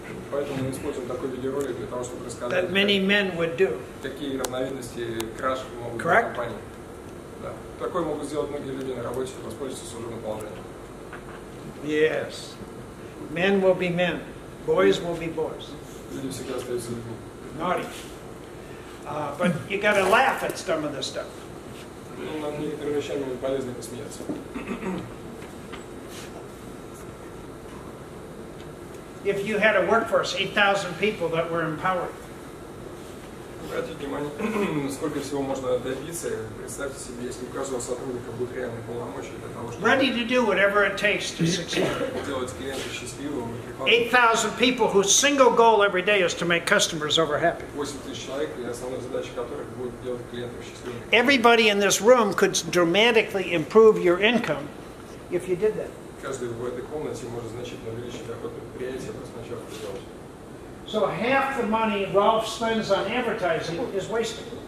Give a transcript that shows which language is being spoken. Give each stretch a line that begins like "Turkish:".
Russian: Поэтому мы используем такой видеоролик для того, чтобы рассказать,
English: that many men would do.
Russian: Какие равновидности краш могут сделать.
English: Correct?
Russian: Компании. Да. Такое могут сделать многие люди на работе, воспользуются служебным положением.
English: Yes. Men will be men. Boys will be boys.
Russian: Люди всегда остаются людьми.
English: Naughty. But you gotta laugh at some of this stuff.
Russian: Ну, над некоторыми вещами полезно посмеяться.
English: If you had a workforce, 8,000 people that were empowered.
Russian: Обратите внимание, сколько всего можно добиться. Представьте себе, если у каждого сотрудника будет реальный полномочий для того, чтобы
English: ready to do whatever it takes to succeed.
Russian: Делать клиента счастливым.
English: 8,000 people whose single goal every day is to make customers over happy.
Russian: 8,000 человек, основная задача которых будет делать клиентов счастливыми.
English: Everybody in this room could dramatically improve your income if you did that.
Russian: Каждый в этой комнате может значительно увеличить доход предприятия, просто начав это делать.
English: So half the money Rolf spends on advertising is wasted.